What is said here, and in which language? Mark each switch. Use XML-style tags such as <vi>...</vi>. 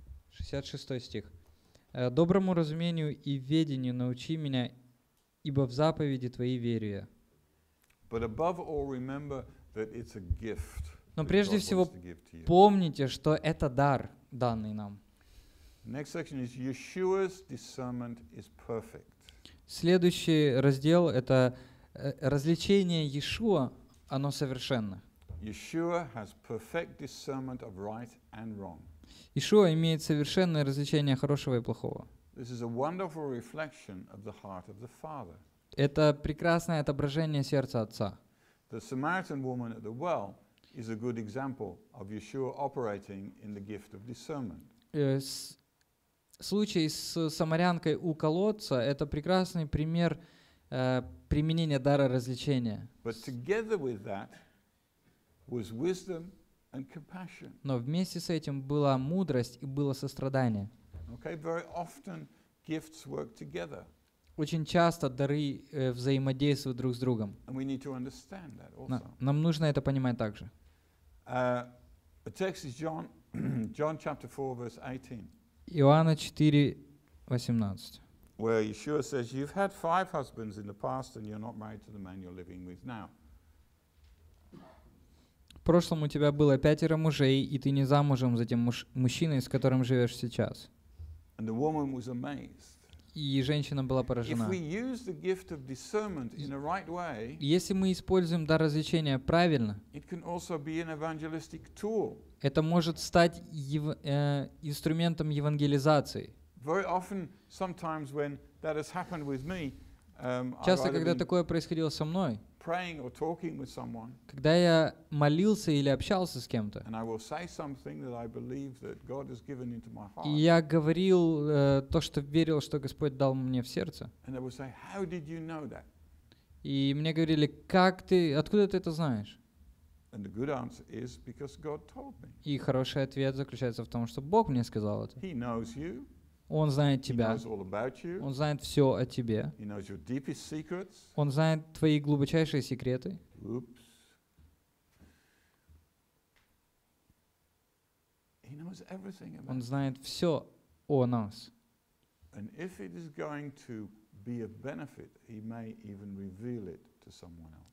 <ru>Шестьдесят шестой стих. Доброму разумению и ведению научи меня, ибо в заповеди твои верю я.</ru> <en>But above all, remember that it's a gift.</en> <ru>Но прежде всего, помните, что это дар, данный нам.</ru> <en>Next section is Yeshua's discernment is perfect.</en> <ru>Следующий раздел это развлечение Иешуа, оно совершенно.</ru> <en>Yeshua has perfect discernment of right and wrong.</en> <ru>Иешуа имеет совершенное различение хорошего и плохого.</ru> <en>This is a wonderful reflection of the heart of the Father.</en> <ru>Это прекрасное отображение сердца Отца.</ru> <en>The Samaritan woman at the well is a good example of Yeshua operating in the gift of discernment.</en> <ru>Случай с самарянкой у колодца — это прекрасный пример применения дара развлечения.</ru> <en>But together with that was wisdom and compassion.</en> <ru>Но вместе с этим была мудрость и было сострадание.</ru> <en>Okay, very often gifts work together.</en> <ru>Очень часто дары взаимодействуют друг с другом.</ru> <en>And we need to understand that also.</en> <ru>Нам нужно это понимать также.</ru> <en>The text is John chapter 4, verse 18.</en> <ru>Иоанна 4:18.</ru> <en>Where Yeshua says, "You've had five husbands in the past, and you're not married to the man you're living with now."</en> <ru>В прошлом у тебя было пятеро мужей, и ты не замужем за тем мужчиной, с которым живешь сейчас.</ru> <en>And the woman was amazed.</en> <ru>И женщина была поражена.</ru> <en>If we use the gift of discernment in the right way,</en> <ru>если мы используем дар развлечения правильно,</ru> <en>it can also be an evangelistic tool.</en> <ru>Это может стать инструментом евангелизации.</ru> <en>Very often, sometimes when that has happened with me,</en> <ru>часто, когда такое происходило со мной,</ru> <en>praying or talking with someone,</en> <ru>когда я молился или общался с кем-то,</ru> <en>and I will say something that I believe that God has given into my heart,</en> <ru>и я говорил то, что верил, что Господь дал мне в сердце,</ru> <en>and they will say, "How did you know that?"</en> <ru>И мне говорили, как ты, откуда ты это знаешь?</ru> <en>And the good answer is because God told me.</en> <ru>И хороший ответ заключается в том, что Бог мне сказал это.</ru> <en>He knows you. Он знает тебя. He knows all about you. Он знает все о тебе. He knows your deepest secrets. Он знает твои глубочайшие секреты. Oops. He knows everything about</en> <ru>Он знает все о нас.</ru> <en>And if it is going to be a benefit, he may even reveal it to someone else.</en>